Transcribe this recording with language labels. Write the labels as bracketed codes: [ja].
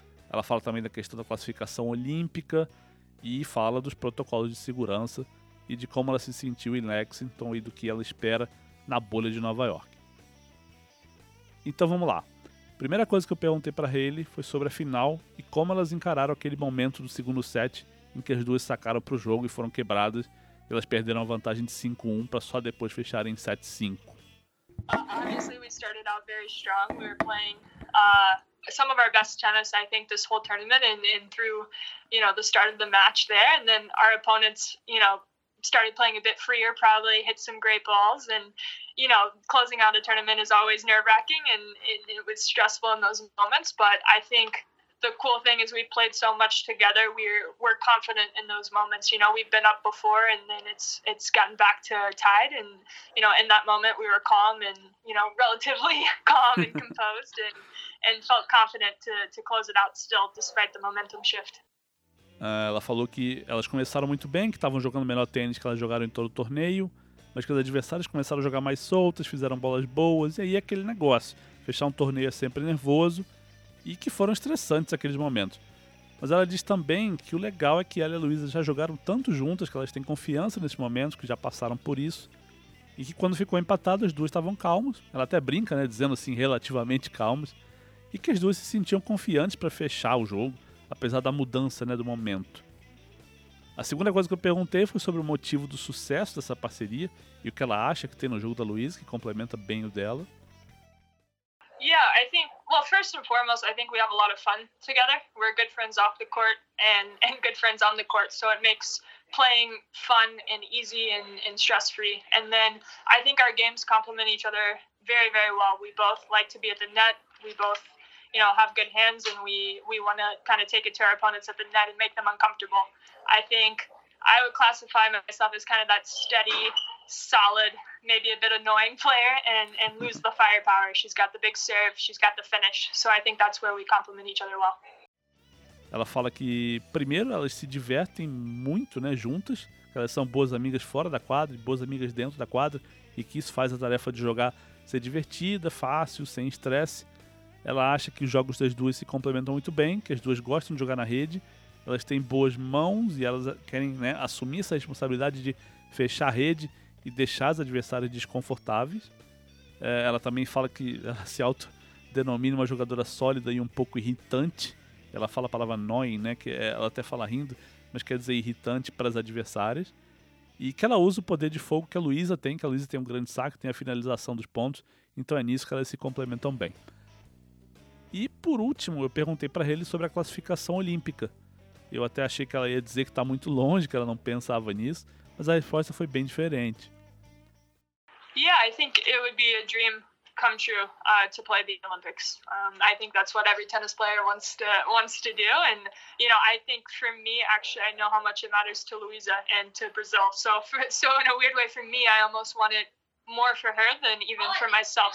[pt] Ela fala também da questão da classificação olímpica e fala dos protocolos de segurança e de como ela se sentiu em Lexington e do que ela espera na bolha de Nova York. Então vamos lá. Primeira coisa que eu perguntei para a Hayley foi sobre a final e como elas encararam aquele momento do segundo set em que as duas sacaram para o jogo e foram quebradas. Elas perderam a vantagem de 5-1 para só depois fecharem em 7-5. [en] Obviously we started out very strong. We were playing some of our best tennis, I think, this whole tournament, and through, you know, the start of the match there, and then our opponents, you know, started playing a bit freer, probably hit some great balls, and you know, closing out a tournament is always nerve-wracking, and it was stressful in those moments. But I think the cool thing is we played so much together. We're confident in those moments. You know, we've been up before, and then it's gotten back to tied. And you know, in that moment, we were calm and, you know, relatively calm and composed, and felt confident to close it out still despite the momentum shift. [pt] Ela falou que elas começaram muito bem, que estavam jogando melhor tênis que elas jogaram em todo o torneio, mas que as adversárias começaram a jogar mais soltas, fizeram bolas boas, e aí aquele negócio, fechar um torneio é sempre nervoso. E que foram estressantes aqueles momentos. Mas ela diz também que o legal é que ela e a Luísa já jogaram tanto juntas, que elas têm confiança nesse momento, que já passaram por isso. E que quando ficou empatado, as duas estavam calmas. Ela até brinca, né, dizendo assim, relativamente calmas. E que as duas se sentiam confiantes para fechar o jogo, apesar da mudança, né, do momento. A segunda coisa que eu perguntei foi sobre o motivo do sucesso dessa parceria e o que ela acha que tem no jogo da Luísa, que complementa bem o dela. [en] Yeah, I think, well, first and foremost, I think we have a lot of fun together. We're good friends off the court and good friends on the court, so it makes playing fun and easy and stress-free. And then I think our games complement each other very, very well. We both like to be at the net. We both, you know, have good hands, and we want to kind of take it to our opponents at the net and make them uncomfortable. I think I would classify myself as kind of that steady, solid, maybe a bit annoying player, and lose the firepower. She's got the big serve, she's got the finish. So I think that's where we complement each other well. [pt] Ela fala que, primeiro, elas se divertem muito, né, juntas, que elas são boas amigas fora da quadra e boas amigas dentro da quadra, e que isso faz a tarefa de jogar ser divertida, fácil, sem estresse. Ela acha que os jogos das duas se complementam muito bem, que as duas gostam de jogar na rede, elas têm boas mãos e elas querem, né, assumir essa responsabilidade de fechar a rede e deixar as adversárias desconfortáveis. Ela também fala que ela se autodenomina uma jogadora sólida e um pouco irritante. Ela fala a palavra annoying, né, que ela até fala rindo, mas quer dizer irritante para as adversárias. E que ela usa o poder de fogo que a Luísa tem, que a Luísa tem um grande saque, tem a finalização dos pontos. Então é nisso que elas se complementam bem. E por último, eu perguntei para ele sobre a classificação olímpica. Eu até achei que ela ia dizer que está muito longe, que ela não pensava nisso. Mas a resposta foi bem diferente. [en] Yeah, I think it would be a dream come true to play the Olympics. I think that's what every tennis player wants to do. And you know, I think for me, actually, I know how much it matters to Luisa and to Brazil. So in a weird way, for me, I almost want it more for her than even for myself.